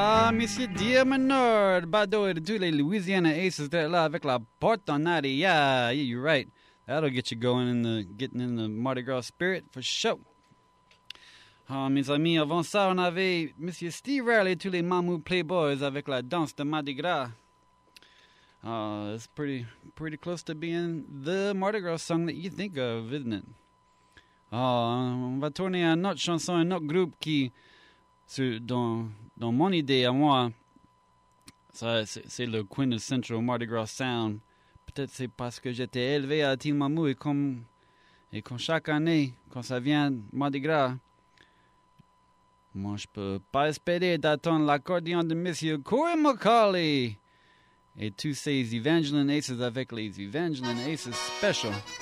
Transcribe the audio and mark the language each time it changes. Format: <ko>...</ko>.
<fr>Monsieur Dia Menard, Bado et tous les Louisiana Aces de la avec la porte en arrière.</fr> <en>Yeah, you're right. That'll get you going in the getting in the Mardi Gras spirit for sure.</en> <fr>Ah, mes amis, avant ça, on avait Monsieur Steve Riley et tous les Mamou Playboys avec la danse de Mardi Gras.</fr> <en>It's pretty close to being the Mardi Gras song that you think of, isn't it?</en> <fr>On va tourner à notre chanson, un autre groupe qui, dans mon idée à moi, ça c'est le</fr> <en>quintessential Mardi Gras sound.</en> <fr>Peut-être c'est parce que j'étais élevé à Tillamou et comme chaque année, quand ça vient Mardi Gras, moi je peux pas espérer d'attendre l'accordéon de Monsieur Corey McCauley et tous ces Evangeline Aces avec les Evangeline Aces Special.</fr>